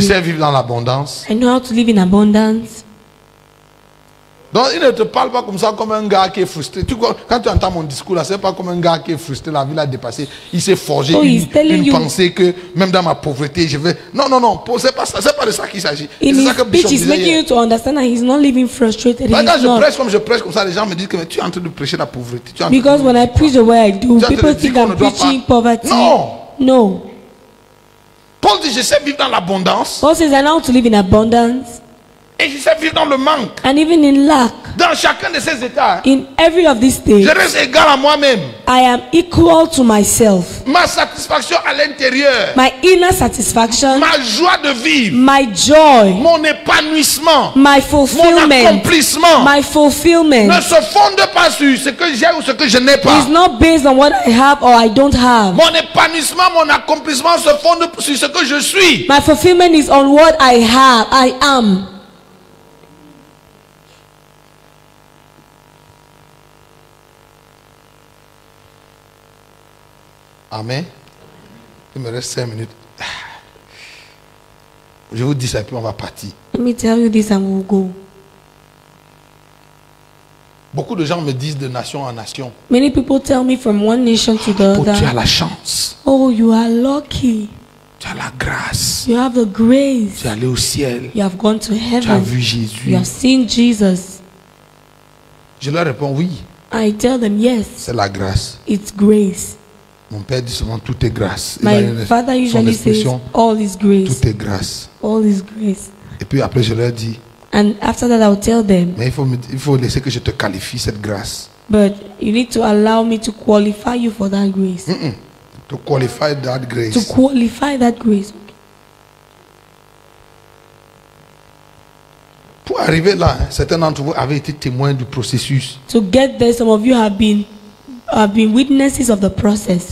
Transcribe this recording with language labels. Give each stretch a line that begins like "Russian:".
French: Je sais vivre dans l'abondance.
English: I know how to live in abundance.
French: Donc il ne te parle pas comme ça, comme un gars qui est frustré. Quand tu entends mon discours là, c'est pas comme un gars qui est frustré. La vie l'a dépassé. Il s'est forgé une pensée que même dans ma pauvreté, je vais. Non, c'est pas ça. C'est pas de ça qu'il s'agit.
English: In his speech, he's making you to understand that he's not living frustrated.
French: Quand je prêche comme ça, les gens me disent que tu es en train de prêcher la pauvreté.
English: Because when I preach the way I do, people think I'm preaching poverty.
French: Non. Paul dit, je sais vivre dans l'abondance.
English: Paul says, I know to live in abundance.
French: Et je sais vivre dans le manque.
English: And even in lack.
French: Dans chacun de ces états.
English: In every of these states.
French: Je reste égal à moi-même.
English: I am equal to myself.
French: Ma satisfaction à l'intérieur.
English: My inner satisfaction.
French: Ma joie de vivre.
English: My joy.
French: Mon épanouissement.
English: My fulfillment.
French: Mon accomplissement.
English: My fulfillment.
French: Ne se fonde pas sur ce que j'ai ou ce que je n'ai pas.
English: It's not based on what I have or I don't have.
French: Mon épanouissement, mon accomplissement se fonde sur ce que je suis.
English: My fulfillment is on what I have. I am.
French: Amen. Il me reste 5 minutes. Je vous dis ça et puis on va partir.
English: Let me tell you this and we'll go.
French: Beaucoup de gens me disent de nation en nation.
English: Many people tell me from one nation to the other.
French: Oh, tu as la chance.
English: Oh, you are lucky.
French: Tu as la grâce.
English: You have the grace.
French: Tu es allé au ciel.
English: You have gone to heaven.
French: Tu as vu Jésus.
English: You have seen Jesus.
French: Je leur réponds oui.
English: I tell them yes.
French: C'est la grâce.
English: It's grace.
French: Mon père dit souvent tout est grâce.
English: My father usually says all is grace.
French: Tout est grâce.
English: All is grace.
French: Et puis après je leur dis.
English: And after that I will tell them.
French: Mais il faut laisser que je te qualifie cette grâce.
English: But you need to allow me to qualify you for that grace. Mm-mm. To qualify that grace. To qualify that grace.
French: Pour arriver là, certains d'entre vous avaient été témoins du processus.
English: To get there, some of you have been witnesses of the process.